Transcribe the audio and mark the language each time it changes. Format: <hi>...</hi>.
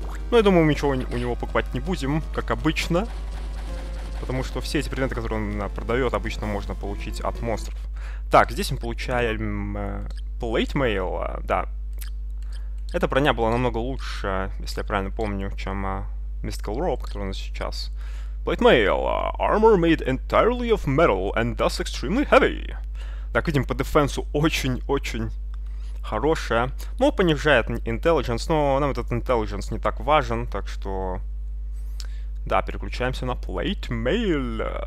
<ru>Но я думаю, мы ничего у него покупать не будем, как обычно. Потому что все эти предметы, которые он продает, обычно можно получить от монстров. Так, здесь мы получаем плейтмейл, да. Эта броня была намного лучше, если я правильно помню, чем Mystical Robe, которая у нас сейчас. Плейтмейл.</ru> <en>Armor made entirely of metal and thus extremely heavy.</en> <ru>Так, видим, по дефенсу очень-очень хорошая. Ну, понижает intelligence, но нам этот intelligence не так важен, так что... Да, переключаемся на плейтмейл.</ru>